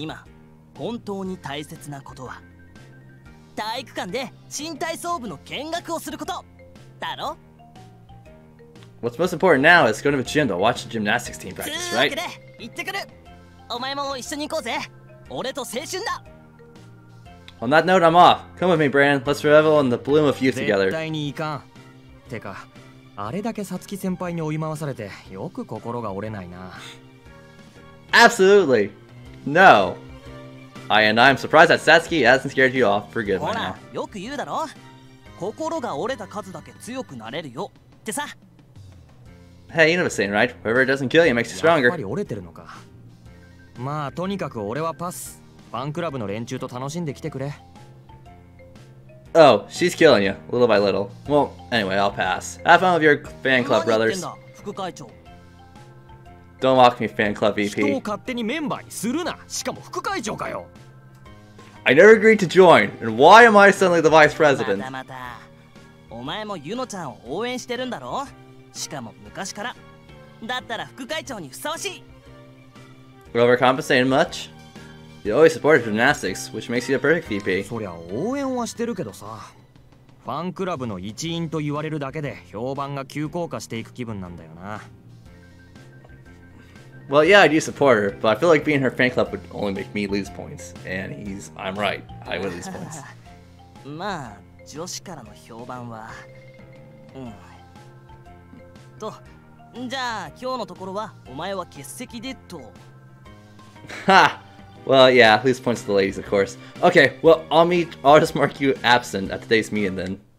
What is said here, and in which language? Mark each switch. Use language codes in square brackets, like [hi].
[ja] 今、本当に大切なことは、体育館で新体操部の見学をすることだろ? [en] What's most important now is going to the gym to watch the gymnastics team practice, right? [ja] つーわけで、行ってくる!お前も一緒に行こうぜ! 俺と青春だ! [en] On that note, I'm off. Come with me, Bran. Let's revel in the bloom of youth together. [ja] 絶対に行かん。てか、あれだけサツキ先輩に追い回されてよく心が折れないな。 [en] Absolutely! No! I'm surprised that Satsuki hasn't scared you off for good [ja] ほら、よく言うだろ。心が折れた数だけ強くなれるよってさ。 [en] Hey, you know the saying, right? Whoever doesn't kill you makes you stronger. [ja] やっぱり折れてるのか。まあ、とにかく俺はパス。ファンクラブの連中と楽しんできてくれ。 [en] Oh, she's killing you, little by little. Well, anyway, I'll pass. Have fun with your fan club, brothers. Don't Don't lock me, fan club EP. [ja] 人を勝手にメンバーにするな。しかも副会長かよ。 [en] I never agreed to join. And why am I suddenly the vice president? [ja] またまた。お前もユノちゃんを応援してるんだろう。しかも昔から。だったら副会長にふさわしい。 [en] Overcompensating much? You always supported gymnastics, which makes you a perfect VP. [ja] そりゃ応援はしてるけどさ。ファンクラブの一員と言われるだけで評判が急降下していく気分なんだよな。 [en] Well, yeah, I do support her, but I feel like being her fan club would only make me lose points. And he's... I'm right. I would lose points. [ja] まあ、女子からの評判は…と、じゃあ今日のところはお前は欠席でと。 [en] Ha! Well, yeah, lose points to the ladies, of course. Okay, well, I'll just mark you absent at today's meeting then.